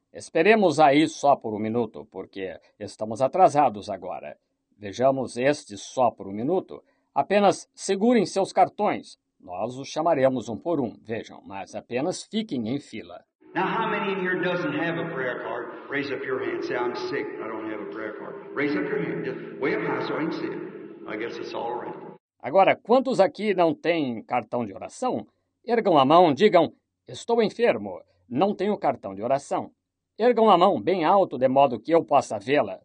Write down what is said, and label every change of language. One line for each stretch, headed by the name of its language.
Portuguese: Esperemos aí só por um minuto, porque estamos atrasados agora. Vejamos este só por um minuto. Apenas segurem seus cartões. Nós os chamaremos um por um. Vejam, mas apenas fiquem em fila.
English: Now, how many in here doesn't have a prayer card? Raise up your hand. Say, I'm sick. I don't have a prayer card. Raise up your hand. Just way up high so I can see it. I guess it's all right.
Portuguese: Agora, quantos aqui não têm cartão de oração? Ergam a mão, digam, estou enfermo. Não tenho cartão de oração. Ergam a mão bem alto, de modo que eu possa vê-la.